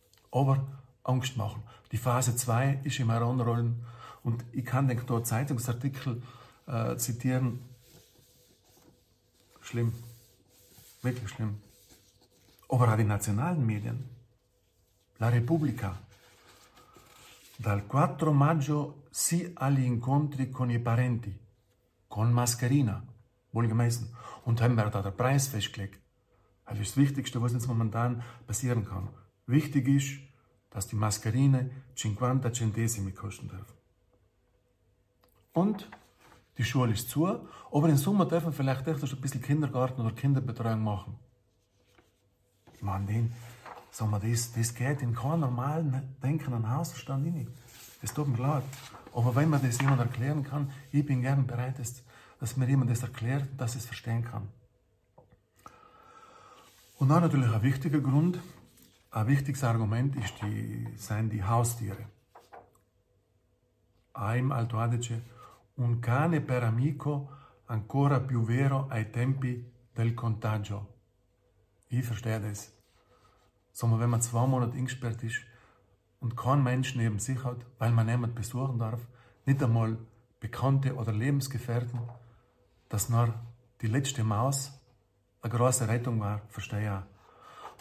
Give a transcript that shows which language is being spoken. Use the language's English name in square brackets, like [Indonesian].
[German] Aber Angst machen. Die Phase 2 ist im Heranrollen. Und ich kann den Zeitungsartikel zitieren. Schlimm. Wirklich schlimm. Aber auch die nationalen Medien. [Italian] La Repubblica. Dal 4 maggio sì agli incontri con i parenti. Con mascherina. [German] Wohlgemessen. Und haben wir da den Preis festgelegt. Das ist das Wichtigste, was jetzt momentan passieren kann. Wichtig ist, dass die Mascherine 50 Centesimi kosten darf. Und die Schule ist zu, aber im Sommer dürfen vielleicht echt ein bisschen Kindergarten oder Kinderbetreuung machen. Mann, das geht in keinem normalen Denken an Hausverstand nicht. Das tut mir leid. Aber wenn man das jemand erklären kann, ich bin gern bereit, dass mir jemand das erklärt, dass ich es verstehen kann. Und dann natürlich ein wichtiger Grund, ein wichtiges Argument sind die Haustiere. [Italian] Im Alto Adige, un cane per amico ancora più vero ai tempi del contagio. [German] Ich verstehe das. Sondern wenn man 2 Monate eingesperrt ist und kein Mensch neben sich hat, weil man niemand besuchen darf, nicht einmal Bekannte oder Lebensgefährten, dass nur die letzte Maus eine große Rettung war, verstehe ich auch.